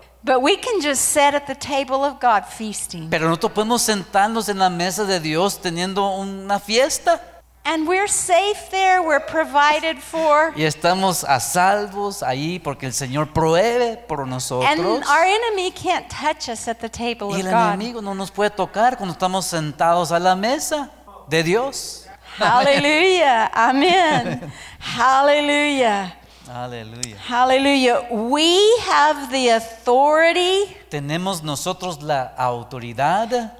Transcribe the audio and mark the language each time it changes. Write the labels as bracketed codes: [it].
[en] But we can just sit at the table of God feasting. [es] Pero nosotros podemos sentarnos en la mesa de Dios teniendo una fiesta. [en] And we're safe there, we're provided for. [es] Y estamos a salvos ahí porque el Señor provee por nosotros. [en] And our enemy can't touch us at the table of God. [es] Y el enemigo no nos puede tocar cuando estamos sentados a la mesa de Dios. [en] Hallelujah. Amen. Hallelujah. Hallelujah. Hallelujah. We have the authority. [es] Tenemos nosotros la autoridad